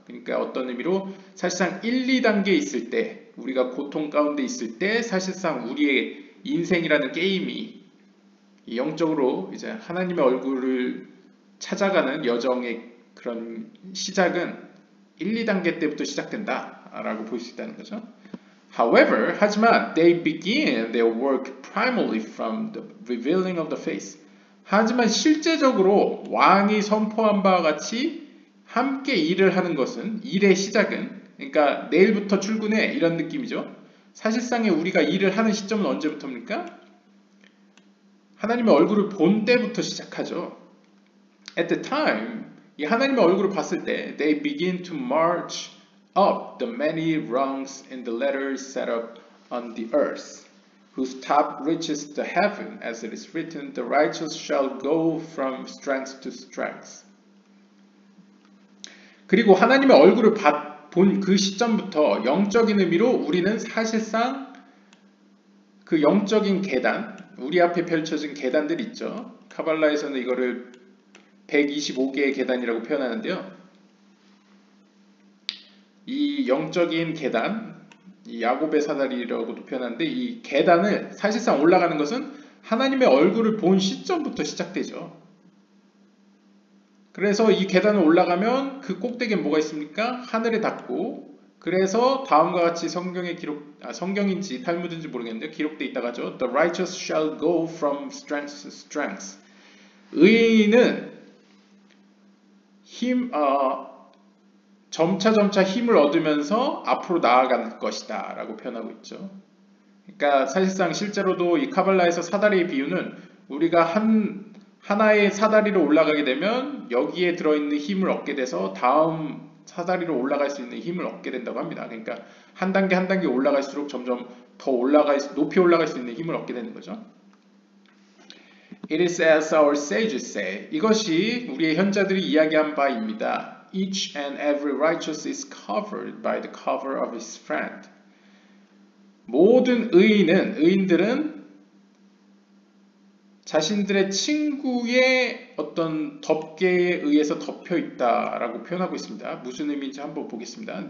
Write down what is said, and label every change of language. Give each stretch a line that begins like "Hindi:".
Korean: 그러니까 어떤 의미로 사실상 1, 2단계 있을 때, 우리가 고통 가운데 있을 때 사실상 우리의 인생이라는 게임이 영적으로 이제 하나님의 얼굴을 찾아가는 여정의 그런 시작은 1, 2단계 때부터 시작된다라고 볼 수 있다는 거죠.
English: However,
Korean: 하지만
English: they begin their work primarily from the revealing of the face.
Korean: 하지만 실제적으로 왕이 선포한 바와 같이 함께 일을 하는 것은 일의 시작은 그러니까 내일부터 출근해 이런 느낌이죠. 사실상에 우리가 일을 하는 시점은 언제부터입니까? 하나님의 얼굴을 본 때부터 시작하죠.
English: At the time,
Korean: 이 하나님의 얼굴을 봤을 때
English: they begin to march up the many rungs in the ladder set up on the earth, whose top reaches the heaven, as it is written, the righteous shall go from strength to strength.
Korean: 그리고 하나님의 얼굴을 본 그 시점부터 영적인 의미로 우리는 사실상 그 영적인 계단, 우리 앞에 펼쳐진 계단들 있죠. 카발라에서는 이거를 125개의 계단이라고 표현하는데요. 이 영적인 계단, 이 야곱의 사다리라고도 표현하는데 이 계단을 사실상 올라가는 것은 하나님의 얼굴을 본 시점부터 시작되죠. 그래서 이 계단을 올라가면 그 꼭대기엔 뭐가 있습니까? 하늘에 닿고 그래서 다음과 같이 성경에 기록, 성경인지 탈무드인지 모르겠는데 기록되어 있다고 하죠.
English: The righteous shall go from strength to strength.
Korean: 의인은 힘, 점차 힘을 얻으면서 앞으로 나아갈 것이다 라고 표현하고 있죠. 그러니까 사실상 실제로도 이 카발라에서 사다리의 비유는 우리가 하나의 사다리로 올라가게 되면 여기에 들어있는 힘을 얻게 돼서 다음 사다리로 올라갈 수 있는 힘을 얻게 된다고 합니다. 그러니까 한 단계 올라갈수록 점점 더 높이 올라갈 수 있는 힘을 얻게 되는 거죠.
English: It is as our sages say.
Korean: 이것이 우리의 현자들이 이야기한 바입니다.
English: Each and every righteous is covered by the cover of his friend.
Korean: 모든 의인들은 자신들의 친구의 어떤 덮개에 의해서 덮여 있다라고 표현하고 있습니다. 무슨 의미인지 한번 보겠습니다.